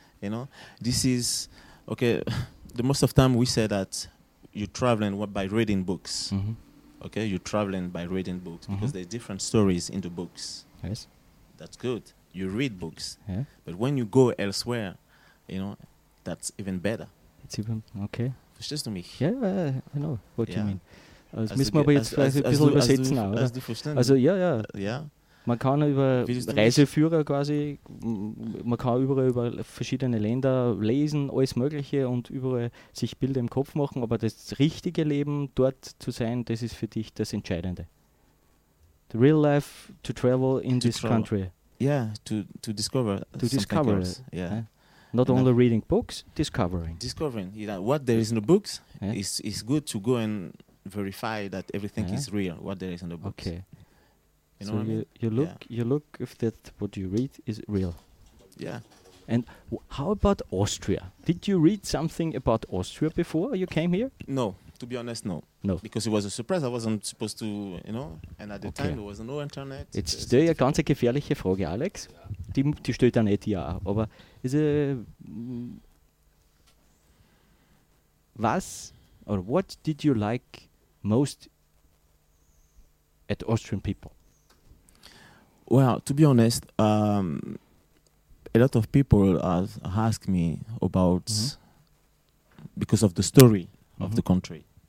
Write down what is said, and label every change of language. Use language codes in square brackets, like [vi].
[en] You know, this is, okay, the most of time we say that you're traveling by reading books. Mm-hmm. Okay, you're traveling by reading books because there's different stories in the books. Yes. That's good. You read books, yeah. But when you go elsewhere, you know, that's even better. It's even, okay. It's just to me. Yeah, I know what you mean. [de] Also, müssen wir aber jetzt vielleicht ein bisschen übersetzen. Hast du verstanden? Also, ja, ja. Ja. Man kann über Reiseführer quasi, man kann überall über verschiedene Länder lesen, alles Mögliche und überall sich Bilder im Kopf machen, aber das richtige Leben dort zu sein, das ist für dich das Entscheidende. [en] The real life to travel in to this travel. Country. Yeah, to discover to discover else. Yeah, not and only reading books, discovering. Yeah, what there is in the books is good to go and verify that everything is real. What there is in the books. Okay, you know so what I mean? you look if that what you read is real. Yeah, and how about Austria? Did you read something about Austria before you came here? No, to be honest, no. No, because it was a surprise. I wasn't supposed to, you know. And at the time, there was no internet. [de] Jetzt stelle ich eine ganz gefährliche Frage, Alex. Ja. Die stellt er nicht, ja. Aber ist was [en] or what did you like most at Austrian people? Well, to be honest, a lot of people ask me about because of the story of the country.